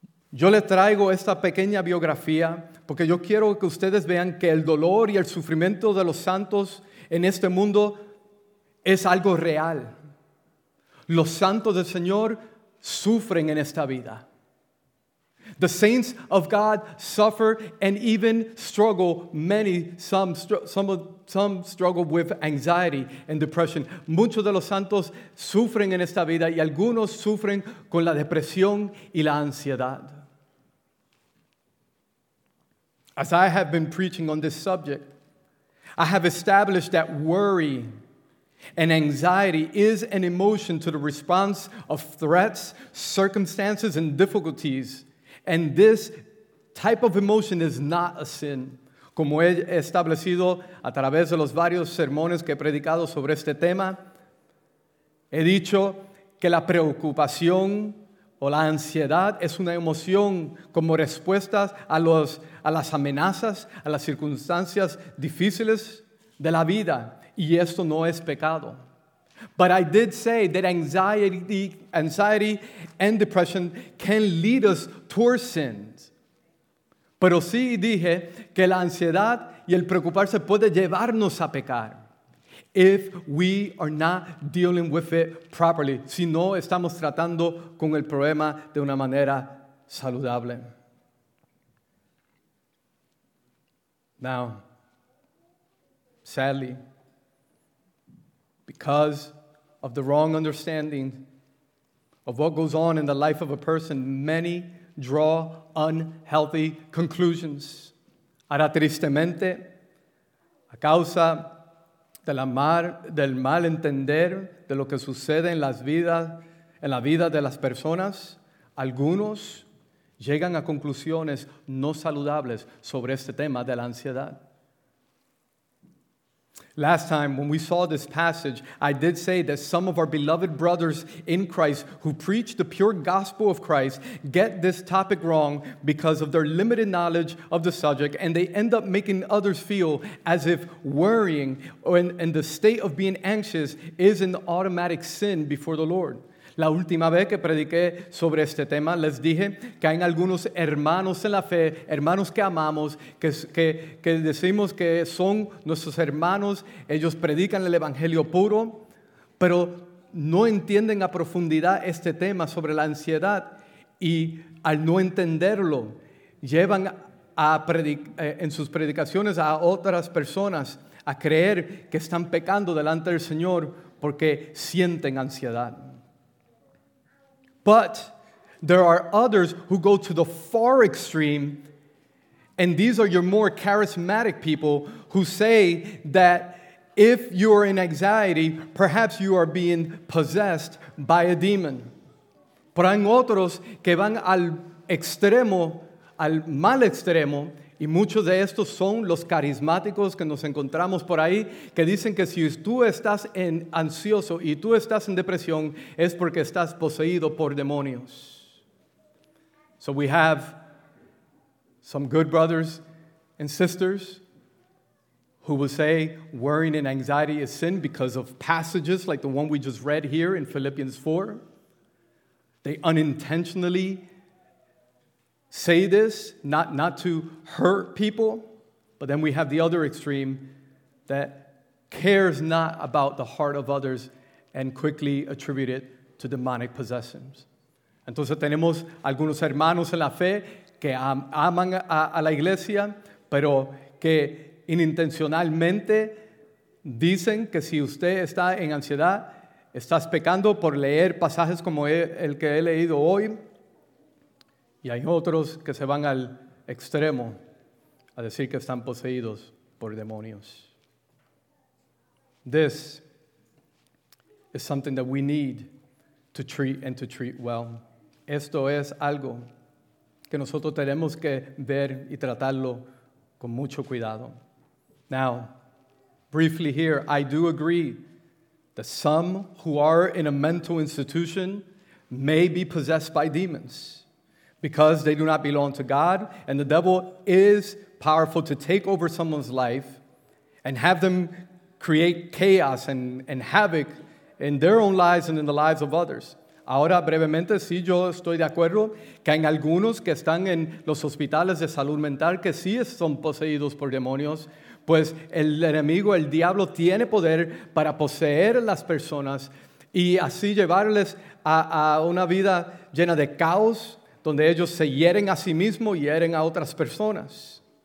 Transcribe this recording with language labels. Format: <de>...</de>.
<es>Yo le traigo esta pequeña biografía porque yo quiero que ustedes vean que el dolor y el sufrimiento de los santos en este mundo es algo real. Los santos del Señor sufren en esta vida.</es> <en>The saints of God suffer and even struggle. Some struggle with anxiety and depression.</en> <es>Muchos de los santos sufren en esta vida y algunos sufren con la depresión y la ansiedad.</es> <en>As I have been preaching on this subject, I have established that worry and anxiety is an emotion to the response of threats, circumstances, and difficulties. And this type of emotion is not a sin.</en> <es>Como he establecido a través de los varios sermones que he predicado sobre este tema, he dicho que la preocupación o la ansiedad es una emoción como respuesta a las amenazas, a las circunstancias difíciles de la vida. Y esto no es pecado.</es> <en>But I did say that anxiety and depression can lead us towards sins.</en> <es>Pero sí dije que la ansiedad y el preocuparse puede llevarnos a pecar.</es> <en>If we are not dealing with it properly,</en> <es>si no estamos tratando con el problema de una manera saludable.</es> <en>Now, sadly, because of the wrong understanding of what goes on in the life of a person, many draw unhealthy conclusions.</en> <es>Ahora, tristemente, a causa de del mal entender de lo que sucede en las vidas, en la vida de las personas, algunos llegan a conclusiones no saludables sobre este tema de la ansiedad.</es> <en>Last time, when we saw this passage, I did say that some of our beloved brothers in Christ who preach the pure gospel of Christ get this topic wrong because of their limited knowledge of the subject, and they end up making others feel as if worrying and the state of being anxious is an automatic sin before the Lord.</en> <es>La última vez que prediqué sobre este tema, les dije que hay algunos hermanos en la fe, hermanos que amamos, que decimos que son nuestros hermanos, ellos predican el evangelio puro, pero no entienden a profundidad este tema sobre la ansiedad, y al no entenderlo, llevan a en sus predicaciones a otras personas a creer que están pecando delante del Señor porque sienten ansiedad.</es> <en>But there are others who go to the far extreme, and these are your more charismatic people who say that if you are in anxiety, perhaps you are being possessed by a demon.</en> <es>Pero hay otros que van al extremo, al mal extremo, y muchos de estos son los carismáticos que nos encontramos por ahí, que dicen que si tú estás ansioso y tú estás en depresión, es porque estás poseído por demonios.</es> <en>So we have some good brothers and sisters who will say worrying and anxiety is sin because of passages like the one we just read here in Philippians 4. They unintentionally say this, not to hurt people, but then we have the other extreme that cares not about the heart of others and quickly attribute it to demonic possessions.</en> <es>Entonces tenemos algunos hermanos en la fe que aman a la iglesia, pero que inintencionalmente dicen que si usted está en ansiedad, estás pecando por leer pasajes como el que he leído hoy. Y hay otros que se van al extremo a decir que están poseídos por demonios.</es> <en>This is something that we need to treat and to treat well.</en> <es>Esto es algo que nosotros tenemos que ver y tratarlo con mucho cuidado.</es> <en>Now, briefly here, I do agree that some who are in a mental institution may be possessed by demons, because they do not belong to God, and the devil is powerful to take over someone's life and have them create chaos and havoc in their own lives and in the lives of others.</en> <es>Ahora, brevemente, sí, yo estoy de acuerdo que hay algunos que están en los hospitales de salud mental que sí son poseídos por demonios, pues el enemigo, el diablo, tiene poder para poseer a las personas y así llevarles a una vida llena de caos, donde ellos se hieren a sí mismos y hieren a otras personas.</es>